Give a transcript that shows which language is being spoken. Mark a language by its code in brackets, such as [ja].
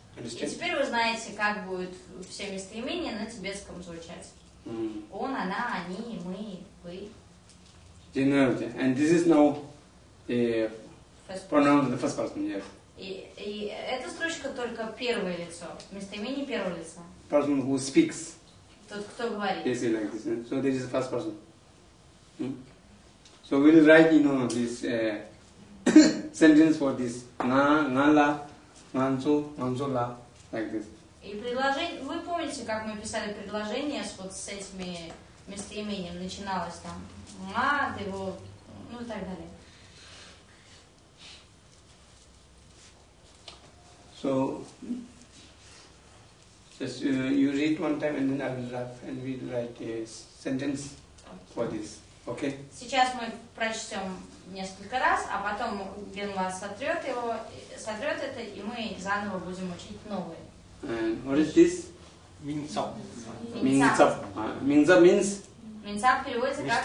[ru] И теперь вы знаете, как будут все местоимения на тибетском звучать. Он, она, они, мы, вы. [en] Generally. And this is now the pronoun of the first person, yes. [ru] И эта строчка только первое лицо. Местоимение первого лица. [en] Person who speaks. [ru] Тот, кто говорит. [en] Yes, like this. So this is the first person. So we'll write, you know, this sentence for this. [bo] Nga, nga la, nganzo, nganzo la, like this. [ru] И предложение, вы помните, как мы писали предложение с вот с этими местоимением? Начиналось там ма, ты его, ну и так далее. [en] So, just you read one time and then I will write, and we'll write a sentence for this. Okay. [ru] Сейчас мы прочтем несколько раз, а потом Генла сотрет его, сотрет это, и мы заново будем учить новые. [en] And what is this? [bo] Минцап. [en] Минцап. Минцап means? [ru] Минцап переводится как?